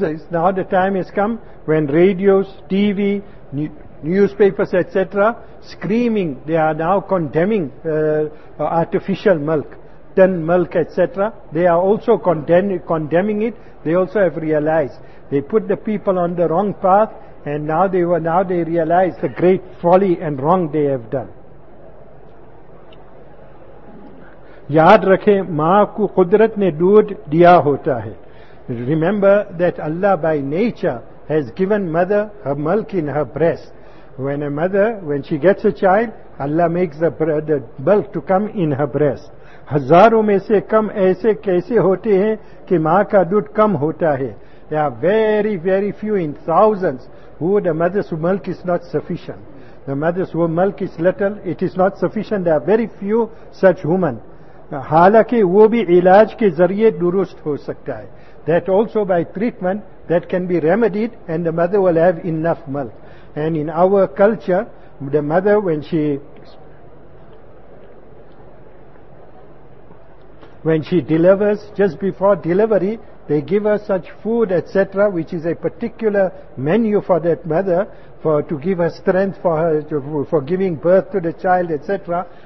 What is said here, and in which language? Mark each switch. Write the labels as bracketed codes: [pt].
[en] Now the time has come when radios, TV, newspapers, etc., screaming, they are now condemning artificial milk, tin milk, etc. They are also condemning it. They also have realized they put the people on the wrong path, and now they realize the great folly and wrong they have done. [ur] یاد رکھیں ماں کو قدرت نے دودھ دیا ہوتا ہے. [en] Remember that Allah by nature has given mother her milk in her breast. When a mother when she gets a child Allah makes the milk to come in her breast. [ur] ہزاروں میں سے کم ایسے کیسے ہوتے ہیں کہ ماں کا دودھ کم ہوتا ہے. [en] They are very very few in thousand who the mother's milk is not sufficient. The mother's وہ milk is little it is not sufficient. They are very few such women. [ur] حالانکہ وہ بھی علاج کے ذریعے درست ہو سکتا ہے. [en] That also by treatment that can be remedied and the mother will have enough milk. And in our culture the mother when she delivers just before delivery they give her such food etcetera which is a particular menu for that mother for to give her strength for her for giving birth to the child etcetera.